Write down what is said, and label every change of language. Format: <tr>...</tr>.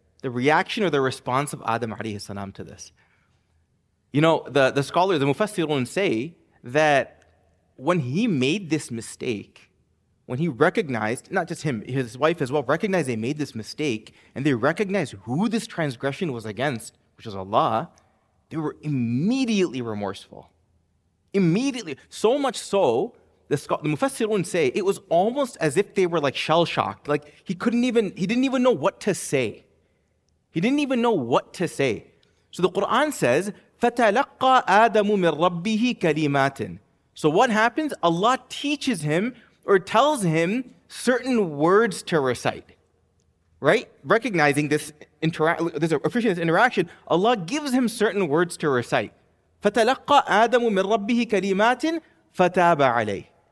<en>The reaction or the response of Adam alayhi salam to this. You know, the scholars, the Mufassirun say that when he made this mistake, when he recognized, not just him, his wife as well, recognized they made this mistake, and they recognized who this transgression was against, which was Allah, they were immediately remorseful. Immediately. So much so, the Mufassirun say, it was almost as if they were like shell-shocked. Like, he didn't even know what to say. He didn't even know what to say. So the Quran says,</en> <ar>فَتَلَقَّى آدَمُ مِنْ رَبِّهِ كَلِمَاتٍ.</ar> <en>So what happens? Allah teaches him or tells him certain words to recite. Right? Recognizing this officious interaction, Allah gives him certain words to recite.</en> <ar>فَتَلَقَّى آدَمُ مِنْ رَبِّهِ كَلِمَاتٍ فَتَابَ عَلَيْهِ.</ar>